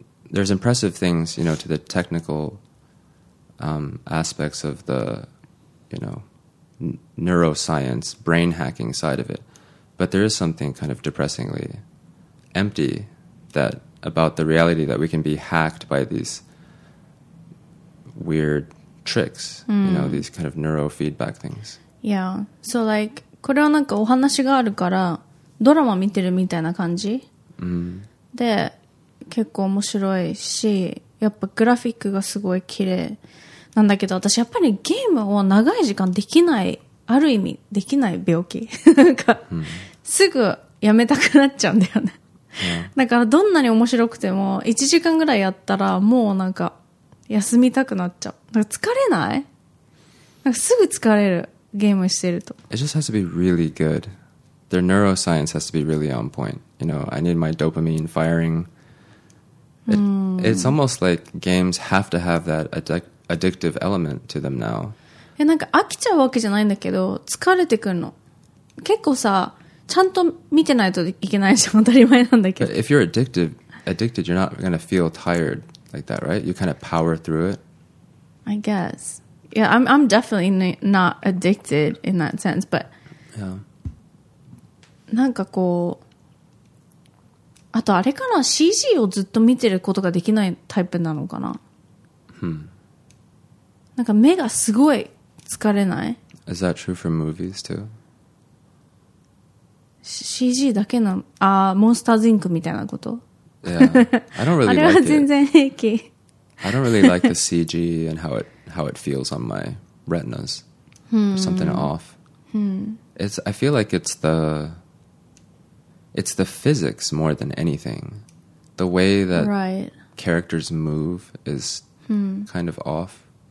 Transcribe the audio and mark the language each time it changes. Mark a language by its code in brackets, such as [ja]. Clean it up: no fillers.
[en] there's impressive things, you know, to the technical aspects of the, you know, neuroscience, brain hacking side of it. But there is something kind of depressingly empty that about the reality that we can be hacked by these weird tricks, you know, these kind of neurofeedback things. Yeah. So like, [ja] これはなんかお話があるからドラマ見てるみたいな感じ、で結構面白いし、やっぱグラフィックがすごい綺麗なんだけど、私やっぱりゲームを長い時間できない、ある意味できない病気なんか、すぐやめたくなっちゃうんだよね、だからどんなに面白くても1時間ぐらいやったらもうなんか休みたくなっちゃう、なんか疲れない、なんかすぐ疲れるゲームしてると。 [en] It just has to be really good. Their neuroscience has to be really on point. You know, I need my dopamine firing. It's almost like games have to have that addictive element to them now. [ja] え、なんか飽きちゃうわけじゃないんだけど、疲れてくるの。結構さ、ちゃんと見てないといけないじゃん、当たり前なんだけど。 [en] But if you're addicted, you're not gonna feel tired like that, right? You kind of power through it. I guess. Yeah, I'm definitely not addicted in that sense, but... Yeah. [ja] なんかこう、あとあれかな、 CG をずっと見てることができないタイプなのかな。なんか目がすごい疲れない。 [en] Is that true for movies too? [ja] CG だけなの、あ、モンスターズインクみたいなこと。 [en] Yeah, I don't really like [ja] it. あれは全然平気。 [en] I don't really like the CG and how it feels on my retinas. There's something off. I feel like it's the physics more than anything. The way that characters move is kind of off.